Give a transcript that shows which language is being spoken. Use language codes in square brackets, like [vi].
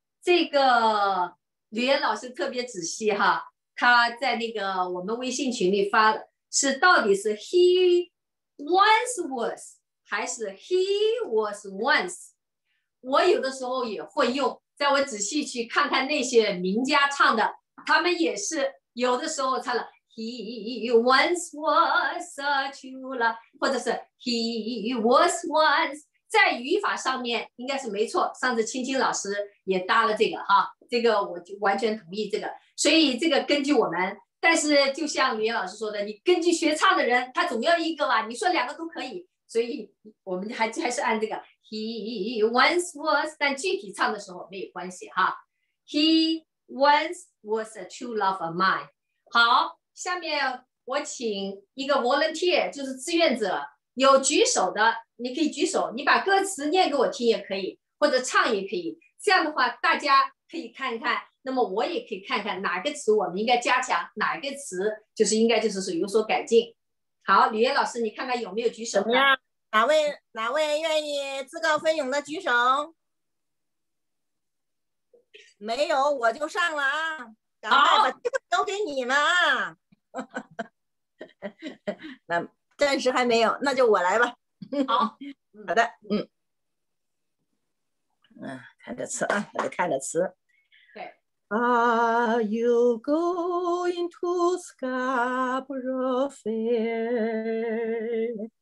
[zh] 这个李岩老师特别仔细哈，他在那个我们微信群里发了，是到底是 [en] heOnce was [zh] 还是 [en] he was once? [zh] 我有的时候也会用，在我仔细去看看那些名家唱的，他们也是有的时候唱了 [en] he once was a true love， [zh] 或者是 [en] he was once， [zh] 在语法上面应该是没错。上次青青老师也搭了这个哈，这个我就完全同意这个，所以这个根据我们。但是就像李岩老师说的，你根据学唱的人，他总要一个吧，你说两个都可以，所以我们还是按这个 [en] He once was， [zh] 但具体唱的时候没有关系哈。 [en] He once was a true love of mine。 [zh] 好，下面我请一个 volunteer， 就是志愿者，有举手的你可以举手，你把歌词念给我听也可以，或者唱也可以，这样的话大家可以看一看，那么我也可以看看哪个词我们应该加强，哪个词就是应该就是有所改进。好，李岩老师你看看有没有举手的，哪位愿意自告奋勇的举手？没有我就上了啊，赶快把这个留给你们啊。那暂时还没有，那就我来吧。好好的，看着词啊，我就看着词。 [en] Are you going to Scarborough Fair?